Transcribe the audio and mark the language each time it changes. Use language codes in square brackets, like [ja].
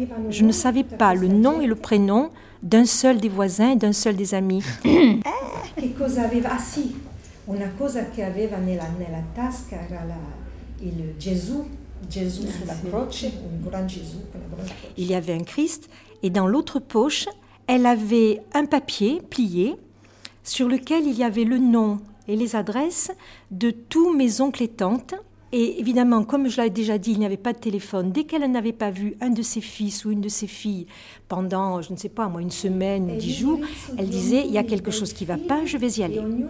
[fr] Je ne savais pas le nom et le prénom d'un seul des voisins et d'un seul des amis. [it] Che cosa aveva? Ah sì, una cosa che aveva nella tasca era il Gesù, Gesù sulla croce, un grand Gesù con la croce. [fr] Il y avait un Christ et dans l'autre poche. Elle avait un papier plié sur lequel il y avait le nom et les adresses de tous mes oncles et tantes. Et évidemment, comme je l'avais déjà dit, il n'y avait pas de téléphone. Dès qu'elle n'avait pas vu un de ses fils ou une de ses filles pendant, je ne sais pas, moi, une semaine ou 10 jours, elle disait, il y a quelque chose qui ne va pas, je vais y aller.